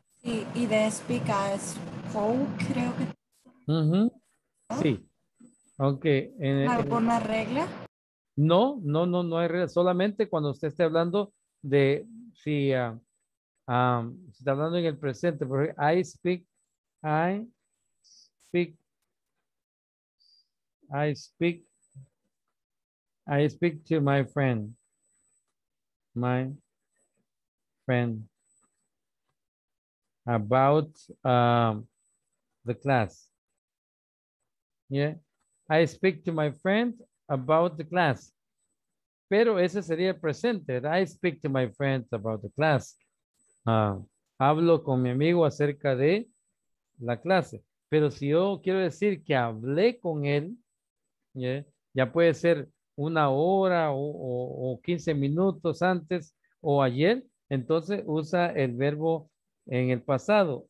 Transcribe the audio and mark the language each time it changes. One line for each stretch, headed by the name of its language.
Spanish: Y de speak a spoke, creo que. Sí. Aunque ¿alguna regla? No hay regla. Solamente cuando usted esté hablando de si está hablando en el presente.
English: Porque I speak to my friend about the class. Yeah. I speak to my friend about the class. Pero ese sería el presente. I speak to my friend about the class.
Spanish: Hablo con mi amigo acerca de la clase. Pero si yo quiero decir que hablé con él, yeah, ya puede ser una hora o 15 minutos antes o ayer, entonces usa el verbo en el pasado.